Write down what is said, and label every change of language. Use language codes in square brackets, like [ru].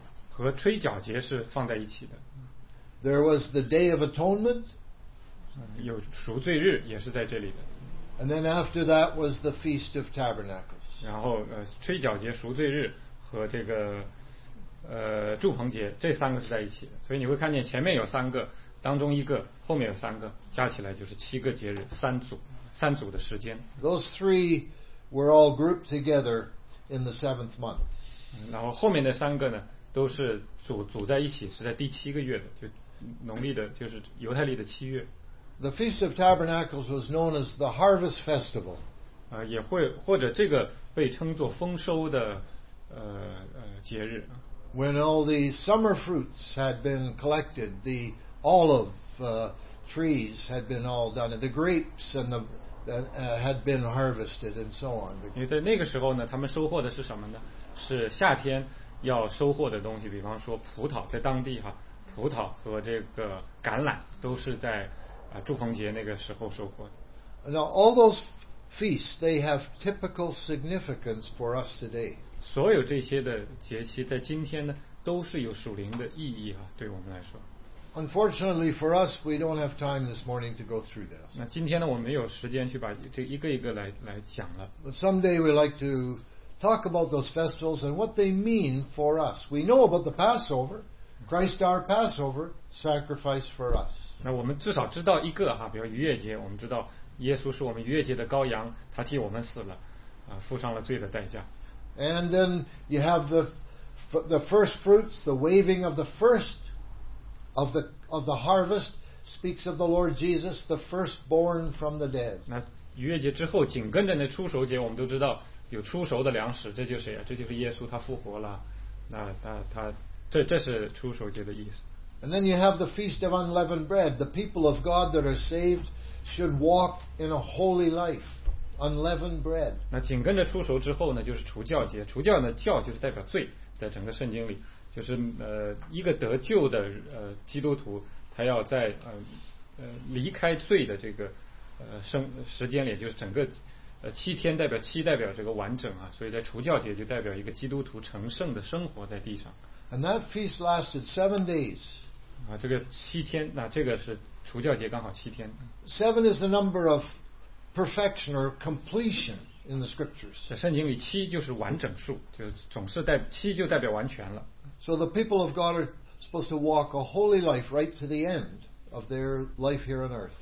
[zh] 和吹角节是放在一起的。 [en] There was the Day of Atonement. [zh] 有赎罪日也是在这里的。 [en] And then after that was the Feast of Tabernacles. [zh] 然后吹角节、赎罪日和这个祝棚节这三个是在一起的。所以你会看见前面有三个，当中一个，后面有三个，加起来就是七个节日，三组。三组的时间。 [en] Those three were all grouped together in the seventh month. [zh] 然后后面的三个呢，都是组在一起，是在第七个月的，就农历的，就是犹太历的七月。 [en] The Feast of Tabernacles was known as the Harvest Festival. [zh] 也会或者这个被称作丰收的节日。 [en] When all the summer fruits had been collected, the olive trees had been all done, and the grapes and the had been harvested and so on. [zh] 因为在那个时候呢，他们收获的是什么呢？是夏天要收获的东西，比方说葡萄，在当地哈，葡萄和这个橄榄都是在祝棚节那个时候收获的。 [en] Now all those feasts they have typical significance for us today. [zh] 所有这些的节期在今天呢，都是有属灵的意义啊，对我们来说。 [en] Unfortunately for us, we don't have time this morning to go through this. [zh] 那今天呢，我们没有时间去把这一个一个来讲了。 [en] But someday we like to talk about those festivals and what they mean for us. We know about the Passover, Christ our Passover sacrifice for us. [zh] 那我们至少知道一个哈，比如逾越节，我们知道耶稣是我们逾越节的羔羊，他替我们死了，付上了罪的代价。 [en] And then you have the first fruits, the waving of the first. Of the harvest speaks of the Lord Jesus, the firstborn from the dead. [zh] 那逾越节之后，紧跟着那初熟节，我们都知道有初熟的粮食，这就是谁啊？这就是耶稣，他复活了。那他这是初熟节的意思。 [en] And then you have the Feast of Unleavened Bread. The people of God that are saved should walk in a holy life, unleavened bread. [zh] 那紧跟着初熟之后呢，就是除酵节。除酵呢，酵就是代表罪，在整个圣经里。就是一个得救的基督徒，他要在离开罪的这个时间里，就是整个七天代表七代表这个完整啊，所以在除酵节就代表一个基督徒成圣的生活在地上。 [en] And that feast lasted 7 days. [zh] 啊，这个七天，那这个是除酵节刚好七天。 [en] Seven is the number of perfection or completion in the scriptures. [zh] 在圣经里，七就是完整数，就总是代七就代表完全了。 [en] So the people of God are supposed to walk a holy life right to the end of their life here on earth.